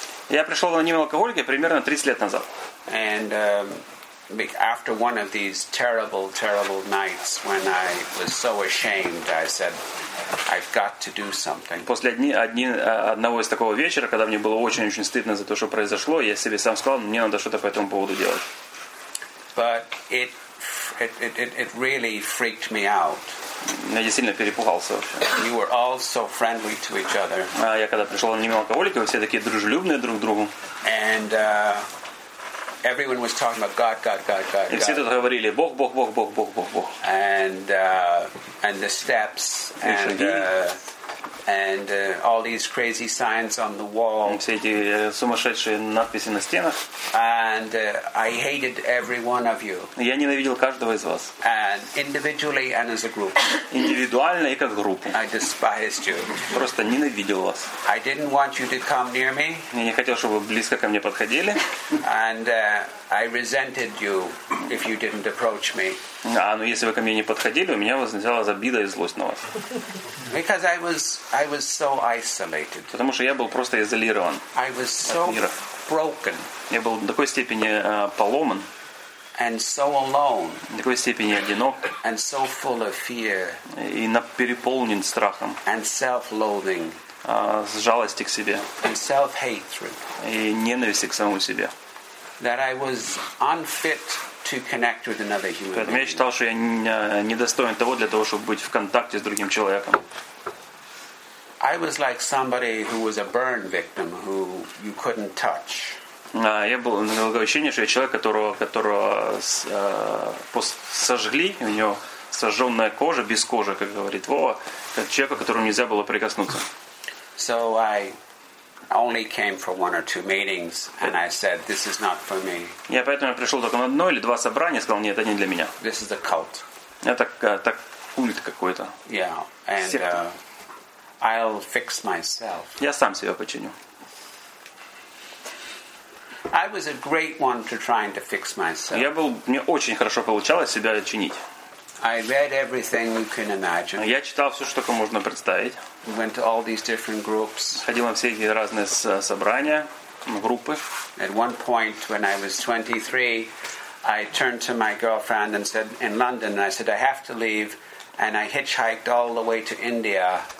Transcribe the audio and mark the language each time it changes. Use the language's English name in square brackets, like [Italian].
[Russian] Я пришел в анонимные алкоголики примерно 30 лет назад. [English] And after one of these terrible, terrible nights when I was so ashamed, I said, I've got to do something. [Russian] После одного из такого вечера, когда мне было очень-очень стыдно за то, что произошло, я себе сам сказал, мне надо что-то по этому поводу делать. [English] But it really freaked me out. [Russian] Я действительно перепугался вообще. [English] You were all so friendly to each other. [Russian] А я когда пришел в анонимные алкоголики, вы все такие дружелюбные друг к другу. [English] And everyone was talking about God, God, God, God. [Russian] И все тут говорили Бог, Бог, Бог, Бог, Бог, Бог, Бог. [English] And the steps and all these crazy signs on the wall. [Russian] И все эти сумасшедшие надписи на стенах. [English] And I hated every one of you. [Russian] Я ненавидел каждого из вас. [English] And individually and as a group. [Russian] Индивидуально и как группу. [English] I despised you. [Russian] Просто ненавидел вас. [English] I didn't want you to come near me. [Russian] Я не хотел, чтобы вы близко ко мне подходили. [English] And I resented you if you didn't approach me. [Russian] Но если вы ко мне не подходили, у меня возникала обида и злость на вас. [English] Because I was so isolated. [Russian] Потому что я был просто изолирован. [English] I was so broken. [Russian] Я был в такой степени поломан. [English] And so alone. [Russian] В такой степени одинок. [English] And so full of fear. [Russian] И переполнен страхом. [English] And self-loathing. [Russian] С жалостью к себе. [English] And self-hatred. [Russian] И ненавистью к самому себе. [English] That I was unfit to connect with another human being. [Russian] Поэтому я считал, что я недостоин того для того, чтобы быть в контакте с другим человеком. [English] I was like somebody who was a burn victim who you couldn't touch. [Russian] Я был на ощущение, что я человек, которого сожгли, у него сожженная кожа без кожи, как говорит Вова, как человека, которому нельзя было прикоснуться. [English] So I only came for one or two meetings, and I said, "This is not for me." [Russian] Я поэтому пришел только на одно или два собрания, сказал, нет, это не для меня. [English] This is a cult. [Russian] Это так культ какой-то. [English] Yeah, and I'll fix myself. [Russian] Я сам себя починю. [English] I was a great one to trying to fix myself. [Russian] Мне очень хорошо получалось себя чинить. [English] I read everything you can imagine. [Russian] Я читал все, что только можно представить. [English] Went to all these different groups. [Russian] Ходил на все эти разные собрания, группы. [English] At one point, when I was 23, I turned to my girlfriend and said, in London, and I said, I have to leave, and I hitchhiked all the way to India.